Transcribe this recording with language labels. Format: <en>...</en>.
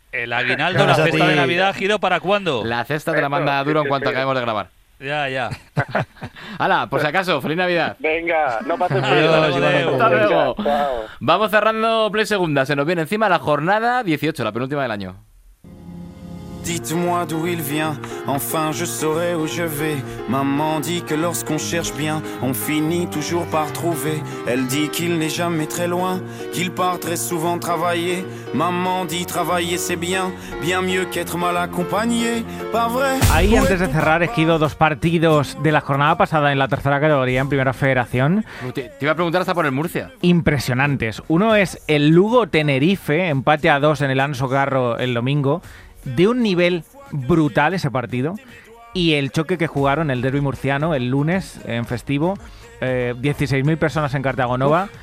<es>El aguinaldo, la cesta de Navidad, Giro, ¿para cuándo? La cesta te la manda Duro en cuanto acabemos de grabar. Ya. Hala, por si acaso, feliz Navidad. Venga, no pases frío. Hasta luego. Vamos cerrando Play Segunda. Se nos viene encima la jornada 18, la penúltima del año.</es> <fr>Dites-moi d'où il vient, enfin je saurai où je vais. Maman dit que lorsqu'on cherche bien, on finit toujours par trouver. Elle dit qu'il n'est jamais très loin, qu'il part très souvent travailler. Maman dit travailler c'est bien, bien mieux qu'être mal accompagné. Pas vrai.</fr> <es>Ahí, antes de cerrar, he elegido dos partidos de la jornada pasada en la tercera categoría, en Primera Federación. Te iba a preguntar hasta por el Murcia. Impresionantes. Uno es el Lugo-Tenerife, empate a dos en el Anso Carro el domingo. De un nivel brutal ese partido, y el choque que jugaron, el derbi murciano, el lunes en festivo, 16.000 personas en Cartagonova.</es>